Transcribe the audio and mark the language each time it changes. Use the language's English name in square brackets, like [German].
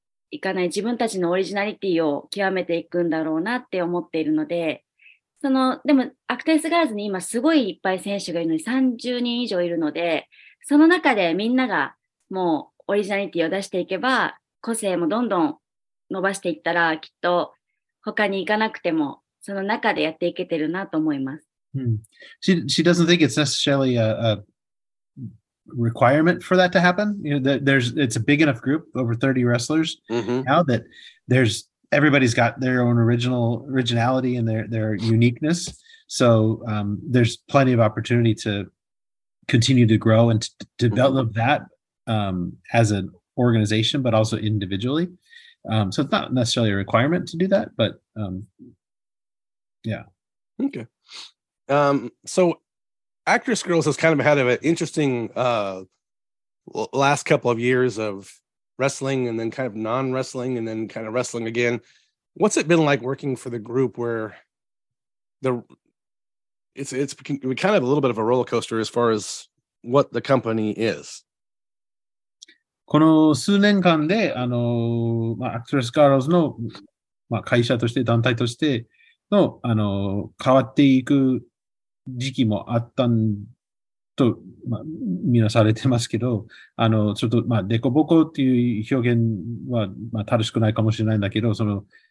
[Japanese] いかない、自分たちのオリジナリティを極めていくんだろうなって思っているので、そのでもアクトレスガールズに今すごいいっぱい選手がいるのに、30人以上いるので、その中でみんながもうオリジナリティを出していけば、個性もどんどん伸ばしていったら、きっと他に行かなくてもその中でやっていけてるなと思います。 [English] She doesn't think it's necessarily a requirement for that to happen. You know, it's a big enough group, over 30 wrestlers, mm-hmm. now that there's everybody's got their own originality and their uniqueness. So there's plenty of opportunity to continue to grow and to develop mm-hmm. that as aorganization, but also individually. So it's not necessarily a requirement to do that, but yeah. Okay. So Actress Girls has kind of had an interesting last couple of years of wrestling and then kind of non-wrestling and then kind of wrestling again. What's it been like working for the group where it's kind of a little bit of a roller coaster as far as what the company is? [Japanese] この数年間で、まあ、アクトレスガールズの、まあ、会社として、団体としての、変わっていく時期もあったんと、まあ、見なされてますけど、ちょっと、まあ、デコボコっていう表現は、まあ、正しくないかもしれないんだけど、その、